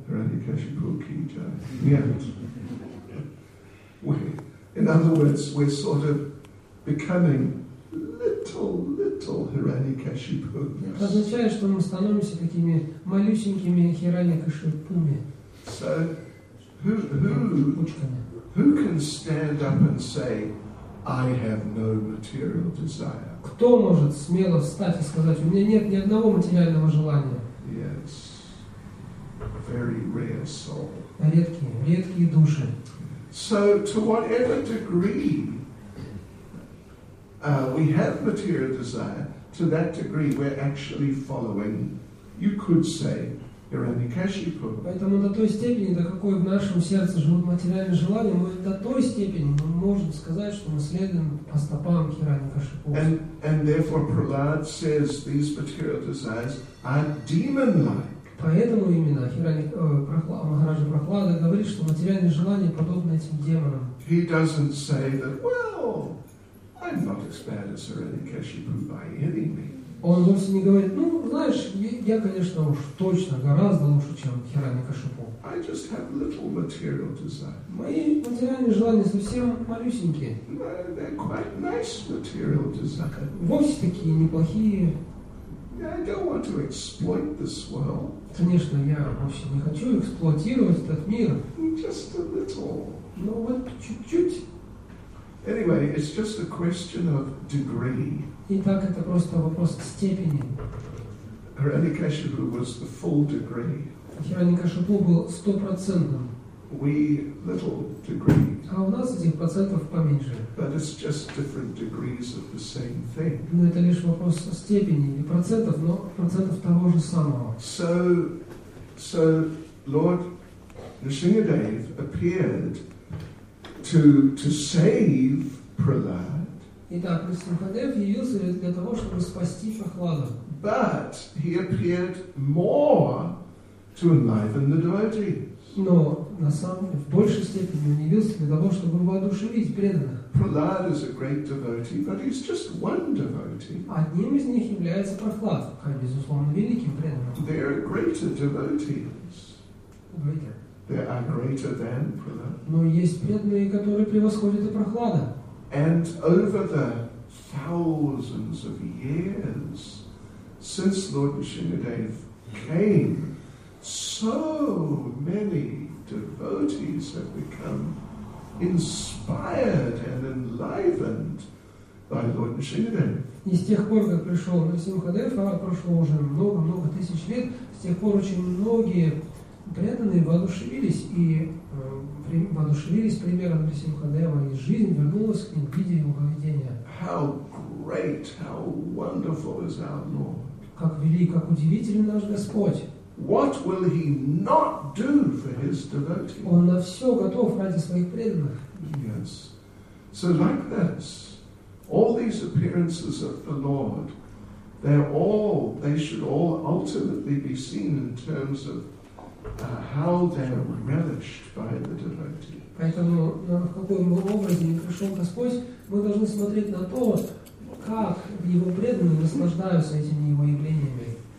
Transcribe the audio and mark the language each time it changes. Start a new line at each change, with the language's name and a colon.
English: Hiranyakashipu ki jai. Yes. In other words, we're sort of becoming little Hiranyakashipu.
Russian: Это означает, что мы становимся такими малюсенькими Хираньякашипуми.
English: So, who can stand up and say, I have no material desire?
Russian: Кто может смело встать и сказать, у меня нет ни одного материального желания?
English: Yes. Very rare soul.
Russian: Редкие, редкие души.
English: So, to whatever degree we have material desire, to that degree we're actually following, you could say, Hiranyakashipu.
Russian: Поэтому до той степени, до какой в нашем сердце живут материальные желания, мы до той степени мы можем сказать, что мы следуем по стопам Хиранякашипу.
English: And therefore Prahlad says these material desires are demon-like.
Russian: Поэтому именно Махараджа Прохлада говорит, что материальные желания подобны этим демонам.
English: He doesn't say that, well, I'm not as bad as Hiranyakashipu by any means.
Russian: Он вовсе не говорит, ну, знаешь, я, конечно, уж точно гораздо лучше, чем Хиранякашипу.
English: I just have little material desire.
Russian: Мои материальные желания совсем малюсенькие.
English: They're quite nice material desire.
Russian: Вовсе такие неплохие.
English: I don't want to exploit this world.
Russian: Конечно, я вообще не хочу эксплуатировать этот мир.
English: Just a little.
Russian: Ну вот чуть-чуть.
English: Anyway, it's just a question of degree.
Russian: Итак, это просто вопрос степени.
English: Hiranyakashipu was the full degree.
Russian: Hiranyakashipu был 100%.
English: We little degree.
Russian: А у нас этих процентов поменьше.
English: But it's just different degrees of the same thing.
Russian: Но это лишь вопрос степени или процентов, но процентов того же самого.
English: So Lord Nrisimhadev appeared to save Prahlad.
Russian: Итак, Нрисимхадев явился для того, чтобы спасти Прохлада.
English: But he appeared more to enliven the devotees.
Russian: Но на самом деле в большей степени он явился для того, чтобы воодушевить преданных.
English: Prahlad is a great devotee, but he's just one devotee.
Russian: Одним из них является Прохлад, как безусловно великим преданным.
English: There are greater devotees. There are greater than Prahlad.
Russian: Но есть преданные, которые превосходят и Прохлада.
English: And over the thousands of years since Lord Nrisimhadev came, so many devotees have become inspired and enlivened by Lord Nrisimhadev.
Russian: И с тех пор, как пришел Нрисимхадев, а прошло уже много-много тысяч лет, с тех пор очень многие преданные воодушевились и воодушевились примером Нрисимхадева, и жизнь вернулась к ним в виде его поведения.
English: How great, how wonderful is our Lord!
Russian: Как велик, как удивителен наш Господь!
English: What will he not do for his devotee?
Russian: Он на все готов ради своих преданных.
English: Yes. So like this, all these appearances of the Lord, they should all ultimately be seen in terms of how they're relished by the devotee.
Russian: Поэтому, в каком образе пришел Господь, мы должны смотреть на то, как его преданные наслаждаются этими его явлениями.